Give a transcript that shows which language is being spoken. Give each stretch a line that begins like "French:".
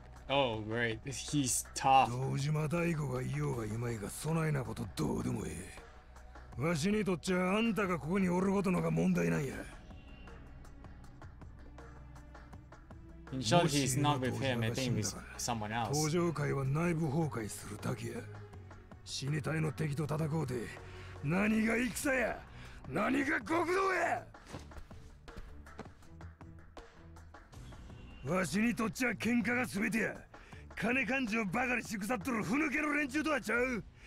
English: Oh great, he's tough.
Japanese: 堂島大吾がいようがいまいがそないなことどうでもいい。わしにとっちゃあんたがここにおることのが問題なんや。
English: In short, he's not with him, I think he's someone else.
Japanese: 登場会は内部崩壊するだけや。死に体の敵と戦うで、何が戦や、何が極道や。わしにとっちゃ喧嘩が全てや。金勘定ばかりしくさっとるふぬけの連中とはちゃう。